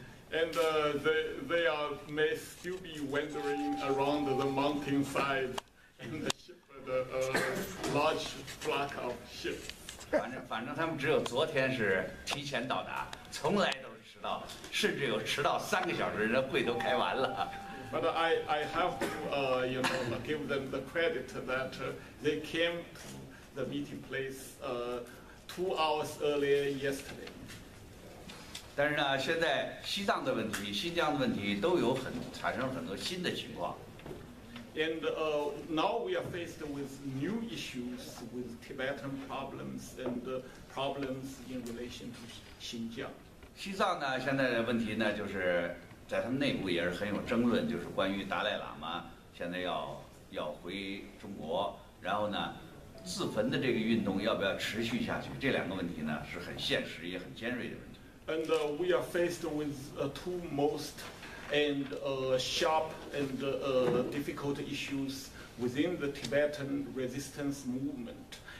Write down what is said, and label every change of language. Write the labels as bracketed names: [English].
[English] And they are may still be wandering around the mountainside and the ship the large flock of sheep. [Chinese] 反正他们只有昨天是提前到达，从来都是迟到，甚至有迟到三个小时，人会都开完了。 [English] But I have to you know give them the credit that they came to the meeting place 2 hours earlier yesterday. [Chinese] 但是呢，现在西藏的问题、新疆的问题都有很产生很多新的情况。 [English] And now we are faced with new issues with Tibetan problems and problems in relation to Xinjiang. [Chinese] 西藏呢，现在的问题呢就是。在他们内部也是很有争论，就是关于达赖喇嘛现在要回中国，然后呢，自焚的这个运动要不要持续下去？这两个问题呢是很现实也很尖锐的问题。 [English] And we are faced with two most and sharp and difficult issues within the Tibetan resistance movement.